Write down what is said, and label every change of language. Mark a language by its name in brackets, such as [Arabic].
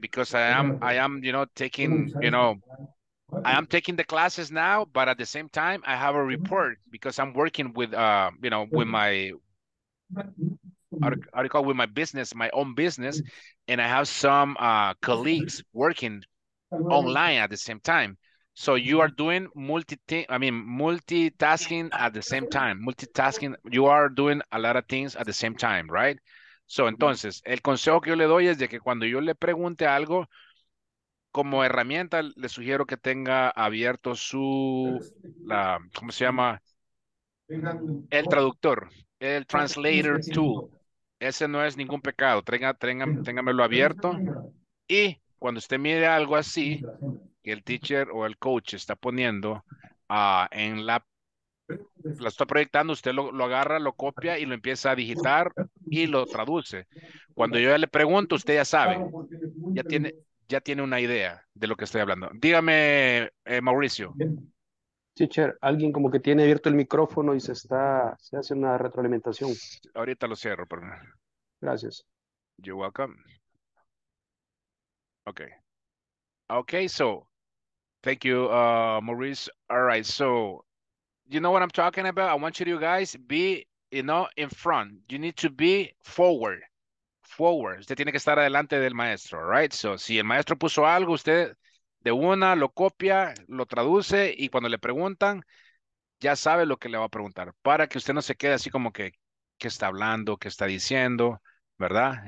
[English] Because I am, I am taking the classes now, but at the same time, I have a report because I'm working with my business, my own business, and I have some colleagues working online at the same time. So you are doing multitasking at the same time. Multitasking, you are doing a lot of things at the same time, right? [Spanish] So entonces, el consejo que yo le doy es de que cuando yo le pregunte algo, como herramienta, le sugiero que tenga abierto su, la, ¿cómo se llama? El traductor, el [English] translator tool. [Spanish] Ese no es ningún pecado. Téngamelo abierto. Y cuando usted mire algo así, que el teacher o el coach está poniendo en la, la está proyectando, usted lo agarra, lo copia y lo empieza a digitar y lo traduce. Cuando yo ya le pregunto, usted ya sabe, ya tiene una idea de lo que estoy hablando. Dígame, Mauricio. Teacher, alguien como que tiene abierto el micrófono y se hace una retroalimentación. Ahorita lo cierro, perdón. Gracias. [English] You're welcome. Okay. Okay, so thank you, Maurice. All right, so you know what I'm talking about? I want you guys be, in front. You need to be forward. Forward. [Spanish] Usted tiene que estar adelante del maestro, [English] right? So [Spanish] si el maestro puso algo, usted de una lo copia, lo traduce, y cuando le preguntan, ya sabe lo que le va a preguntar. Para que usted no se quede así como que, ¿qué está hablando? ¿Qué está diciendo? ¿Verdad?